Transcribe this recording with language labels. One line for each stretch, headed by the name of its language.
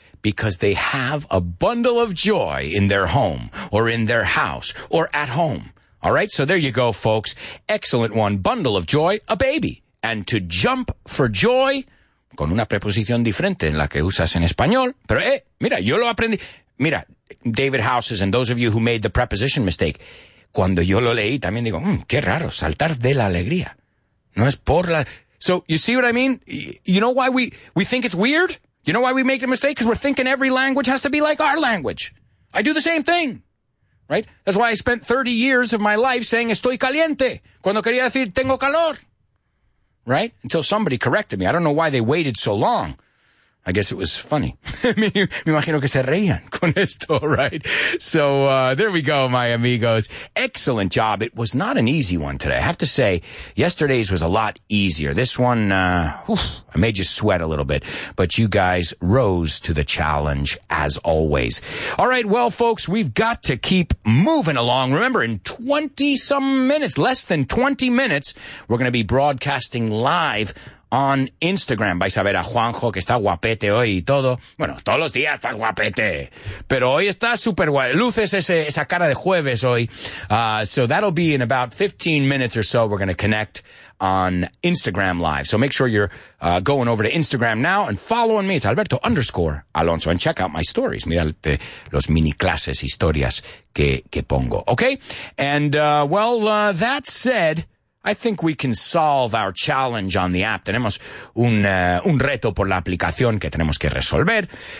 English: Because they have a bundle of joy in their home or in their house or at home. All right. So there you go, folks. Excellent one. Bundle of joy, a baby. And to jump for joy,
Spanish: con una preposición diferente en la que usas en español. Pero, mira, yo lo aprendí.
English: Mira, David Houses and those of you who made the preposition mistake.
Spanish: Cuando yo lo leí, también digo, qué raro, saltar de la alegría. No es por la...
English: So you see what I mean? You know why we think it's weird? You know why we make the mistake? Because we're thinking every language has to be like our language. I do the same thing, right? That's why I spent 30 years of my life saying
Spanish: estoy caliente, cuando quería decir tengo calor,
English: right? Until somebody corrected me. I don't know why they waited so long. I guess it was funny.
Spanish: Me imagino que se reían con esto, right?
English: So there we go, my amigos. Excellent job. It was not an easy one today. I have to say, yesterday's was a lot easier. This one, I made you sweat a little bit. But you guys rose to the challenge, as always. All right, well, folks, we've got to keep moving along. Remember, in 20-some minutes, less than 20 minutes, we're going to be broadcasting live on Instagram.
Spanish: Vais a ver a Juanjo, que está guapete hoy y todo. Bueno, todos los días está guapete. Pero hoy está súper guay. Luces esa cara de jueves hoy.
English: So that'll be in about 15 minutes or so. We're going to connect on Instagram Live. So make sure you're going over to Instagram now and following me. It's Alberto_Alonso. And check out my stories.
Spanish: Mira los mini clases, historias que pongo. Okay?
English: And, that said, I think we can solve our challenge on the app.
Spanish: Tenemos un reto por la aplicación que tenemos que resolver.